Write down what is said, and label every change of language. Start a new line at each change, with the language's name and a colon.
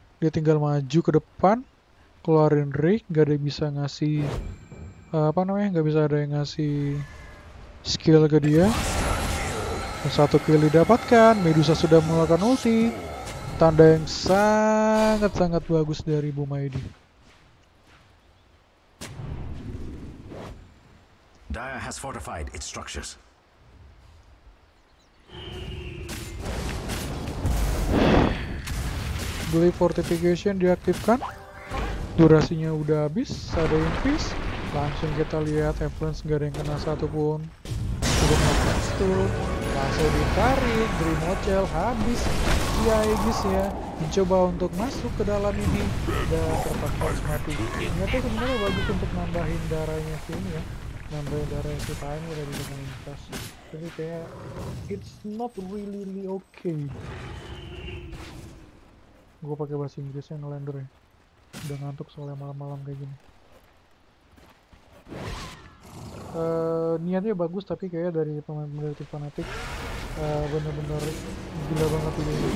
Indonesian: Dia tinggal maju ke depan, keluarin Rick, nggak ada yang bisa ngasih apa namanya, nggak bisa ada yang ngasih skill ke dia. Dan satu kill didapatkan, Medusa sudah mengeluarkan ulti. Tanda yang sangat-sangat bagus dari Bumaidi.
English: Dire has fortified its structures.
Indonesian: Beli fortification diaktifkan. Durasinya udah habis, ada invis. Langsung kita lihat influence, gak ada yang kena satupun. Udah nge-pens tuh. Langsung ditarik, Grimocel habis. Ya, Aegis ya, mencoba untuk masuk ke dalam ini. Dan terpaksa mati. Ini tuh sebenarnya bagus untuk nambahin darahnya sini ya. Nambahin darahnya si Tiny dari dengan invis. Jadi kayak,
English: it's not really, really okay.
Indonesian: Gue pakai bahasa Inggrisnya ngelender ya. Udah ngantuk soalnya malam-malam kayak gini. Niatnya bagus tapi kayaknya dari pemain-pemain dari Fnatic bener-bener gila banget ini.